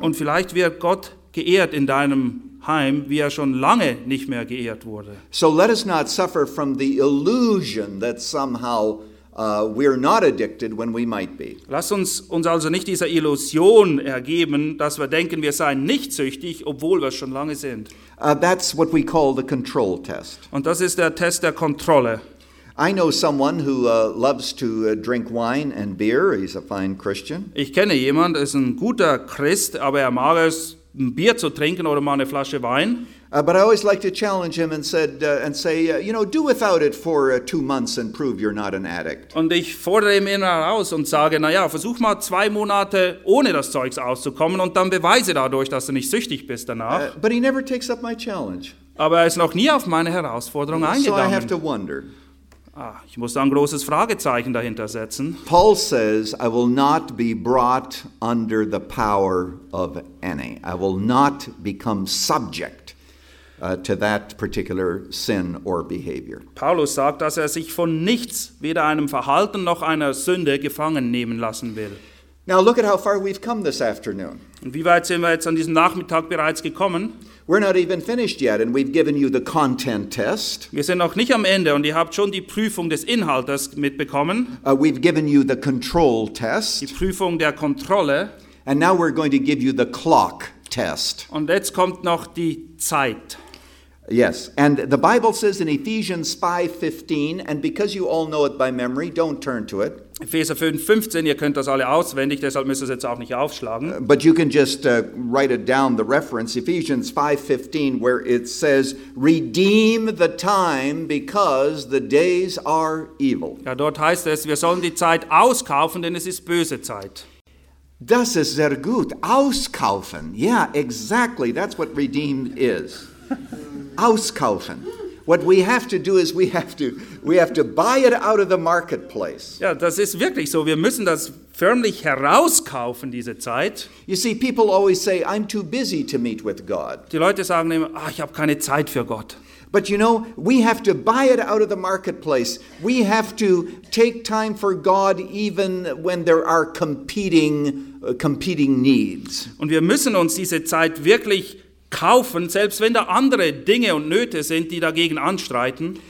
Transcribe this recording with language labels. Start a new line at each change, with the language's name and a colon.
German: Und vielleicht wird Gott geehrt in deinem Heim, wie schon lange nicht mehr geehrt wurde.
English: So let us not suffer from the illusion that somehow we're not addicted when we might be.
German: Lass uns also nicht dieser Illusion ergeben, dass wir denken, wir seien nicht süchtig, obwohl wir schon lange sind.
English: That's what we call the control test.
German: Und das ist der Test der Kontrolle.
English: I know someone who loves to drink wine and beer. He's a fine Christian.
German: Ich kenne jemand, ist ein guter Christ, aber er mag es, ein Bier zu trinken oder mal eine Flasche Wein.
English: But I always like to challenge him and say, you know, do without it for 2 months and prove you're not an addict.
German: Und ich fordere ihn immer heraus und sage, naja, versuch mal 2 Monate ohne das Zeugs auszukommen und dann beweise dadurch, dass du nicht süchtig bist danach.
English: But he never takes up my challenge.
German: Aber er ist noch nie auf meine Herausforderung eingegangen.
English: So I have to wonder.
German: Ich muss da ein großes Fragezeichen dahinter setzen.
English: Paul says, I will not be brought under the power of any. I will not become subject to that particular sin or behavior.
German: Paulus sagt, dass er sich von nichts, weder einem Verhalten noch einer Sünde, gefangen nehmen lassen will.
English: Now look at how far we've come this afternoon.
German: Und wie weit sind wir jetzt an diesem Nachmittag bereits gekommen?
English: We're not even finished yet, and we've given you the content test.
German: Wir sind noch nicht am Ende, und ihr habt schon die Prüfung des Inhaltes mitbekommen.
English: We've given you the control test.
German: Die Prüfung der Kontrolle.
English: And now we're going to give you the clock test.
German: Und jetzt kommt noch die Zeit.
English: Yes, and the Bible says in Ephesians 5:15, and because you all know it by memory, don't turn to it.
German: Epheser 5:15, ihr könnt das alle auswendig, deshalb müsst ihr es jetzt auch nicht aufschlagen.
English: But you can just write it down, the reference, Ephesians 5:15, where it says, redeem the time because the days are evil.
German: Ja, dort heißt es, wir sollen die Zeit auskaufen, denn es ist böse Zeit. Das ist sehr gut, auskaufen.
English: Yeah, exactly, that's what redeem is. Auskaufen. What we have to do is we have to buy it out of the marketplace.
German: Ja, das ist wirklich so. Wir müssen das förmlich herauskaufen, diese Zeit.
English: You see, people always say, I'm too busy to meet with God.
German: Die Leute sagen immer, ach, ich habe keine Zeit für Gott.
English: But you know, we have to buy it out of the marketplace. We have to take time for God even when there are competing needs.
German: Und wir müssen uns diese Zeit wirklich kaufen, selbst wenn da andere Dinge und Nöte sind, die dagegen anstreiten.